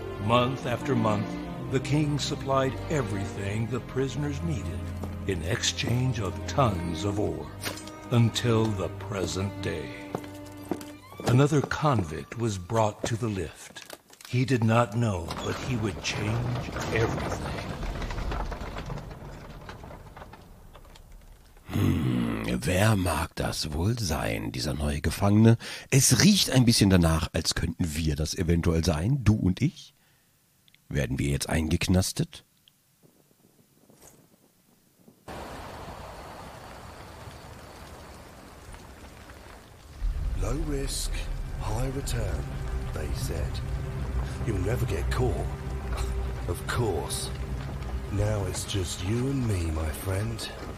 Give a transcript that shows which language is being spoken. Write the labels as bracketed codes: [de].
[en] Month after month, the king supplied everything the prisoners needed in exchange of tons of ore. Until the present day. Another convict was brought to the lift. He did not know, but he would change everything. [de] Wer mag das wohl sein, dieser neue Gefangene? Es riecht ein bisschen danach, als könnten wir das eventuell sein, du und ich. Werden wir jetzt eingeknastet? [en] Low risk, high return, they said. You'll never get caught. Of course. Now it's just you and me, my friend.